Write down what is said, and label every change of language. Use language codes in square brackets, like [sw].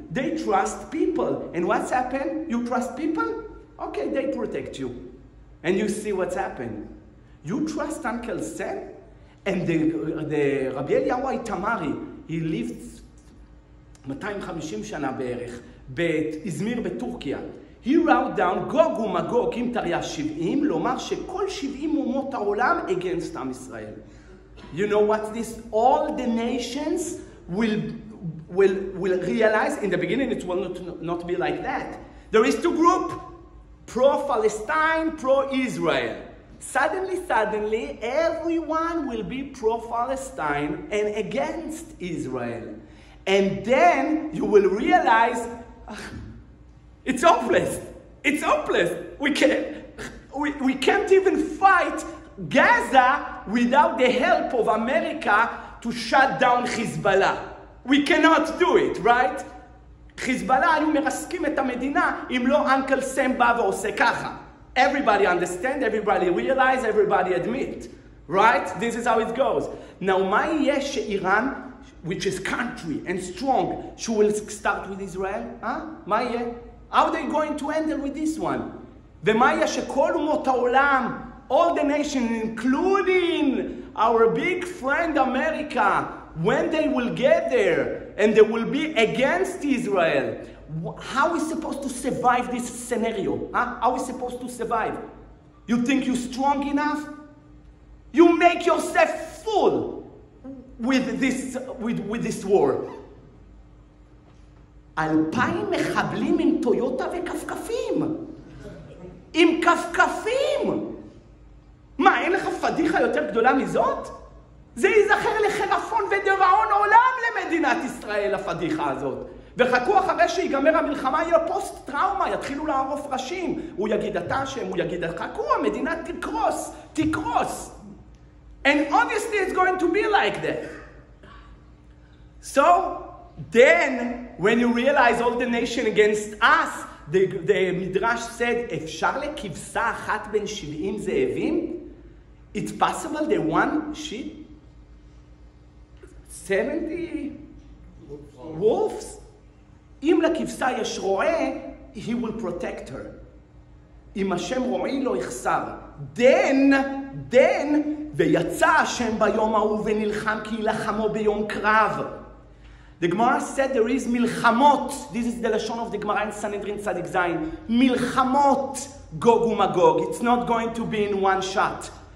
[en] They trust people. And what's happened? You trust people? Okay, they protect you. And you see what's happened. You trust Uncle Sam? And the Rabbi Eliyahu Itamari, he lived 250 [he] שנה בערך, באזמיר בטורקיה. [en] He wrote down, [he] גוג ומגוג, אם תריה 70, לומר שכל 70 אומות העולם [en] against [he] עם ישראל. [en] You know what this? All the nations will realize, in the beginning it will not be like that. There is two groups, pro-Palestine, pro-Israel. Suddenly, everyone will be pro-Palestine and against Israel. And then you will realize, it's hopeless. It's hopeless. We can't even fight Gaza without the help of America to shut down Hezbollah. We cannot do it, right? [he] Hezbollah היו מרסקים את המדינה אם לא Uncle Sam בא ועושה ככה. [en] Everybody understand, everybody realize, everybody admit, right? This is how it goes. Now, [he] מה יהיה שאיראן, [en] which is country and strong, she will start with Israel? Huh? [he] מה יהיה? [en] How are they going to end it with this one? [he] ומה יהיה שכל אומות העולם, [en] all the nations, including our big friend America, when they will get there and they will be against Israel, how are we supposed to survive this scenario? Huh? How are we supposed to survive? You think you're strong enough? You make yourself full with this war. [he] 2,000 מחבלים עם טויוטה וקפקפים. עם קפקפים. מה, אין לך פדיחה יותר גדולה מזאת? זה ייזכר לחרפון ודרעון עולם למדינת ישראל, הפדיחה הזאת. וחכו אחרי שיגמר המלחמה, יהיה פוסט טראומה, יתחילו לערוף ראשים. הוא יגיד אתה השם, הוא יגיד, חכו, המדינה תקרוס, תקרוס. [en] And obviously it's going to be like that. So, then, when you realize all the nation against us, the Midrash said, [he] אפשר לכבשה אחת בין 70 זאבים? [en] It's possible the one sheep? 70 wolves? [he] אם לכבשה יש רועה, [en] he will protect her. [he] אם השם רועי לא יחסר. Then, ויצא השם ביום ההוא ונלחם כי ילחמו ביום קרב. [en] The Gemara said there is מלחמות. This is the lashon of the Gemara in Sanhedrin Tzadik Zayin. [he] מלחמות, גוג ומגוג. [en] It's not going to be in one shot.